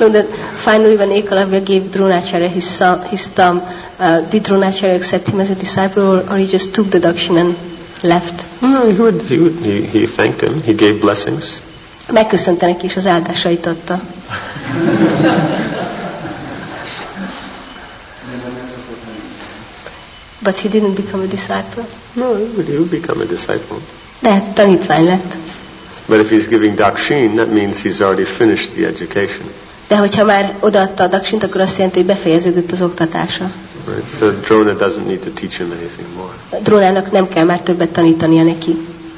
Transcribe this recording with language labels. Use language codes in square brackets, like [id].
[en] No, that finally when Ekalavya gave Dronacharya his thumb, did Dronacharya accept him as a disciple, or he just took the dakshin and left? No, he thanked him. He gave blessings. [hu] Megköszönte neki és az áldásait adta. [en] But he didn't become a disciple. No, he would become a disciple. [hu] De tanítvány lett. [en] But if he's giving dakshin, that means he's already finished the education. [hu] De hogyha már odaadta a dakshint, akkor azt jelenti, hogy befejeződött az oktatása. [en] Right. So Drona doesn't need to teach him anything more. [hu] Drónának nem kell már többet tanítania neki.